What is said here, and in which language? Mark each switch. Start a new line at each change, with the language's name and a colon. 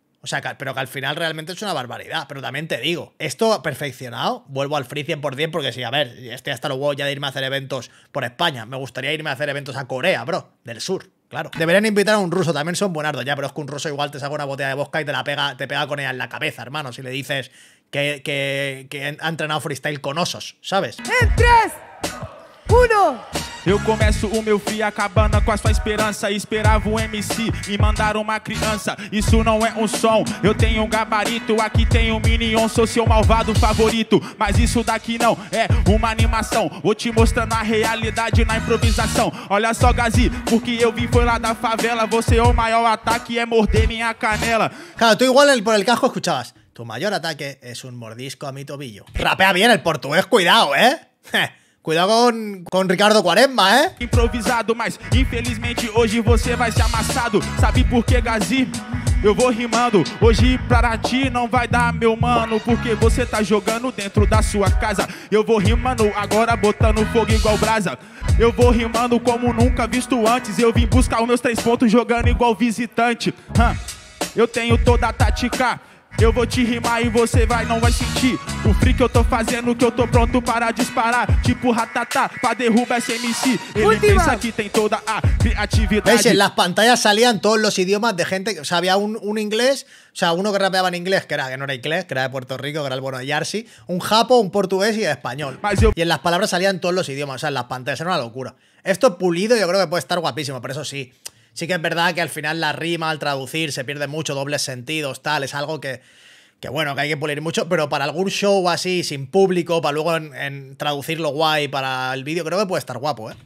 Spanish: O sea, pero que al final realmente es una barbaridad. Pero también te digo, esto perfeccionado, vuelvo al free 100%, porque sí, a ver, estoy hasta luego ya de irme a hacer eventos por España. Me gustaría irme a hacer eventos a Corea, bro, del sur, claro. Deberían invitar a un ruso, también son buenardos ya, pero es que un ruso igual te saca una botella de vodka y te pega con ella en la cabeza, hermano, si le dices que ha entrenado freestyle con osos, ¿sabes? ¡En 3, 1!
Portuguese: Eu começo o meu fio acabando com a sua esperança. Esperava o MC me mandar uma criança. Isso não é um som, eu tenho um gabarito. Aqui tem um Minion, sou seu malvado favorito. Mas isso daqui não é uma animação. Vou te mostrando a realidade na improvisação. Olha só, Gazi, porque eu vim foi lá da favela. Você é o maior ataque, é morder minha canela.
Spanish: Cara, tu igual por el casco escuchabas.
Portuguese: Tu maior ataque é um
Spanish: mordisco a mi tobillo. Rapea bien el portugués, cuidado, eh. Cuidado con Ricardo Quaresma, ¿eh?
Portuguese: Improvisado, mas infelizmente hoje você vai ser amassado. Sabe por que, Gazi? Eu vou rimando. Hoje para ti não vai dar, meu mano, porque você tá jogando dentro da sua casa. Eu vou rimando agora botando fogo igual brasa. Eu vou rimando como nunca visto antes. Eu vim buscar os meus 3 pontos jogando igual visitante. Eu tenho toda a tática. Eu vou te rimar e você vai, não vai sentir o free que eu tô fazendo, que eu tô pronto para disparar. Tipo ratatá, pra derrubar esse MC. Ele pensa que tem toda a criatividade.
Spanish: Veis, en las pantallas salían todos los idiomas de gente. O sea, había un inglés, o sea, uno que rapeaba en inglés, que no era inglés, que era de Puerto Rico, que era el bueno de Yarsi. Un japo, un portugués y el español. Y en las palabras salían todos los idiomas, o sea, en las pantallas, era una locura. Esto pulido yo creo que puede estar guapísimo, pero eso sí. Sí que es verdad que al final la rima, al traducir, se pierde mucho, dobles sentidos, tal, es algo que bueno, que hay que pulir mucho, pero para algún show así, sin público, para luego en traducirlo guay para el vídeo, creo que puede estar guapo, ¿eh?